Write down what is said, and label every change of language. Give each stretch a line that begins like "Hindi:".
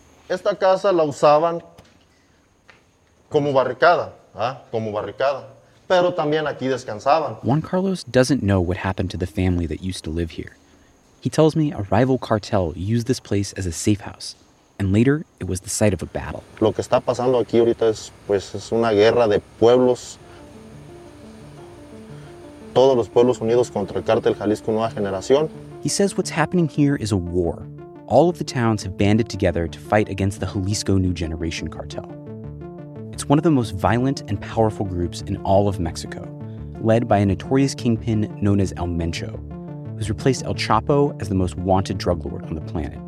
Spanish: Esta casa la usaban como barricada, ¿eh? Como barricada. Pero también aquí descansaban.
English: Juan Carlos doesn't know what happened to the family that used to live here. He tells me a rival cartel used this place as a safe house, and later it was the site of a battle.
Spanish: Lo que está pasando aquí ahorita es, pues, es una guerra de pueblos. Todos los pueblos unidos contra el cartel Jalisco Nueva Generación.
English: He says what's happening here is a war. All of the towns have banded together to fight against the Jalisco New Generation cartel. It's one of the most violent and powerful groups in all of Mexico, led by a notorious kingpin known as El Mencho, who's replaced El Chapo as the most wanted drug lord on the planet.